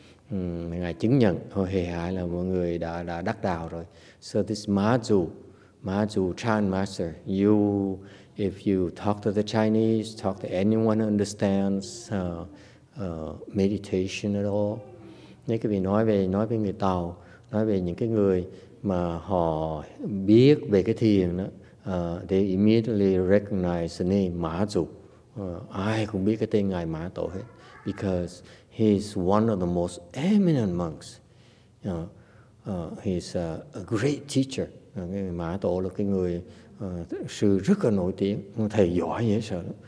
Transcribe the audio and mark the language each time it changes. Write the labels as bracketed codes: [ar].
[vi] Ngài chứng nhận Huệ Hải là một người đã đắc đạo rồi. [en] So this Mazu Chan Master, you, if you talk to the Chinese, talk to anyone who understands meditation at all, [vi] nếu quý vị nói về người Tàu, nói về những cái người mà họ biết về cái thiền đó, [en] they immediately recognize the name Mazu, [vi] Ai cũng biết cái tên Ngài Mã Tổ hết. [en] Because he is one of the most eminent monks. He's a great teacher. [vi] Mã Tổ là cái người sư rất là nổi tiếng, thầy giỏi dễ sợ.